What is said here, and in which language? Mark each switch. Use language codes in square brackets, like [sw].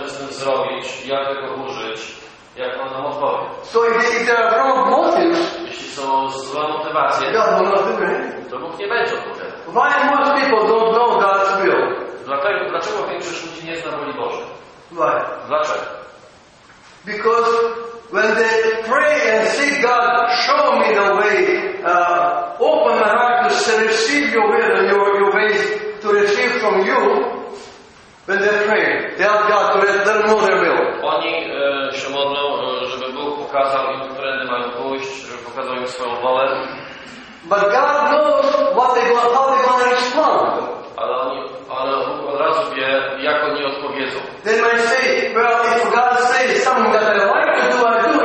[pl] zrobić, jak tego użyć, jak on nam odpowie. [en] So if there are wrong motives, [pl] jeśli są złe motywacje, to Bóg nie będzie odpowiadał. [en] Why most people don't know God's will? [pl] Dlaczego większość ludzi nie zna woli Bożej? [en] Why? [pl] Dlaczego? [en] Because when they pray and say, God, show me the way, open my heart to receive your will and your ways to receive from you, when they pray, they ask God to let them know their will. [pl] Oni się modlą, żeby Bóg pokazał im, którędy mają pójść, żeby pokazał im swoją wolę. [en] But God knows what they want, how they want to respond. [pl] Ale Bóg od razu wie, jak oni odpowiedzą. [en] They might say, well, if God says something that I like to do, I do.